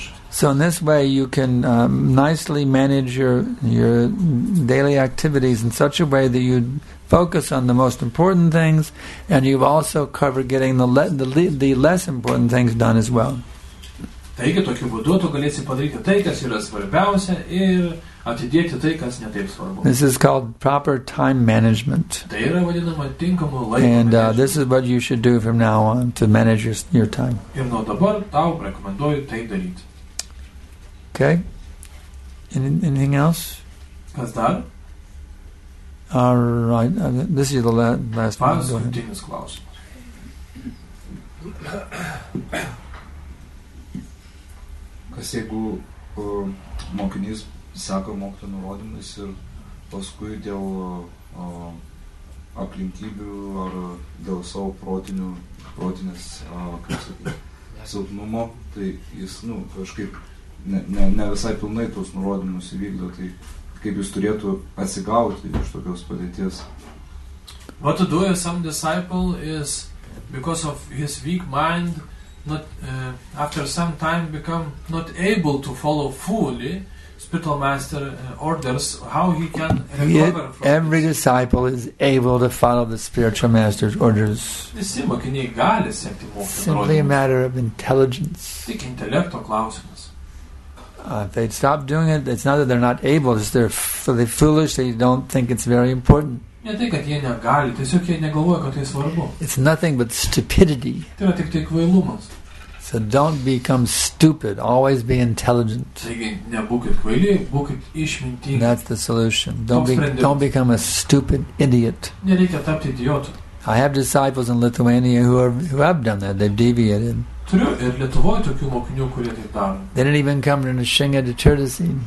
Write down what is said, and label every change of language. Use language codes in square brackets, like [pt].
[en] So in this way, you can nicely manage your daily activities in such a way that you focus on the most important things, and you've also covered getting the less important things done as well. [lt] Taigi, tokiu būdu tu galėsi padaryti tai, kas yra svarbiausia, ir atidėti tai, kas ne taip svarbu. [en] This is called proper time management. [lt] Tai yra vadinama tinkamu laiku. [en] And this is what you should do from now on to manage your time. [lt] Ir nuo dabar tau rekomenduoju tai daryti. [en] Okay. Anything else? [lt] Kas dar? [en] All right. This is the last one. [lt] Kas jeigu mokinys seka mokyto nurodymus ir paskui dėl aplinkybių ar dėl savo protinės silpnumo, tai jis kažkaip ne visai pilnai tos nurodymus įvykdo, tai kaip jis turėtų atsigauti iš tokios padėties. [en] What to do if some disciple is because of his weak mind not after some time become not able to follow fully, spiritual master orders, how he can recover from every this. Disciple is able to follow the spiritual master's orders. Simply a matter of intelligence. [lt] Tik intelekto klausimas. [en] If they'd stop doing it, it's not that they're not able, it's they're fully foolish, they don't think it's very important. [lt] Ne tai, kad jie negali, tiesiog jie negalvoja, kad tai svarbu. [en] It's nothing but stupidity. [lt] Tai yra tik kvailumas. [en] So don't become stupid, always be intelligent. [lt] Taigi, nebūkit kvaili, būkit išmintingi. [en] That's the solution. Don't become a stupid idiot. [lt] Nereikia tapti idiotu. [en] I have disciples in Lithuania who have done that. They've deviated. [lt] Turiu ir Lietuvoje tokių mokinių, kurie taip daro. [en] They didn't even come to Nishinga to Tirtasi.